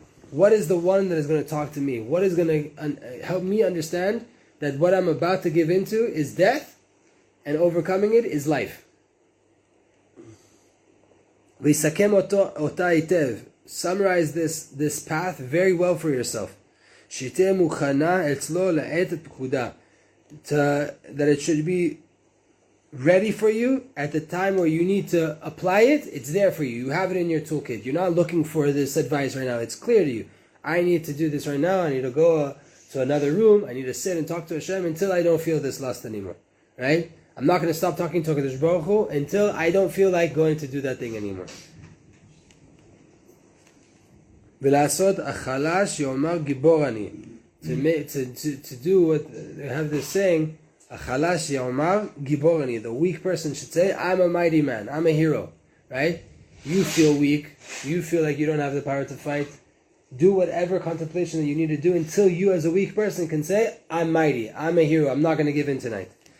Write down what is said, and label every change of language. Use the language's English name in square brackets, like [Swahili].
[English] What is the one that is going to talk to me? What is going to help me understand that what I'm about to give into is death and overcoming it is life? [Hebrew] ויסכם אותה היטב. [English] Summarize this path very well for yourself. [Hebrew] שתהיה מוכנה אצלו לעת פקודה. [English] That it should be ready for you at the time where you need to apply it. It's there for you. You have it in your toolkit. You're not looking for this advice right now. It's clear to you. I need to do this right now. I need to go to another room. I need to sit and talk to Hashem until I don't feel this lust anymore. Right? I'm not going to stop talking to HaKadosh Baruch Hu until I don't feel like going to do that thing anymore. [Hebrew] ולעשות החלש יאמר גיבור אני. [English] To do what they have this saying, [Hebrew] החלש יאמר גיבור אני. [English] The weak person should say, I'm a mighty man, I'm a hero. Right? You feel weak. You feel like you don't have the power to fight. Do whatever contemplation that you need to do until you as a weak person can say, I'm mighty, I'm a hero, I'm not going to give in tonight.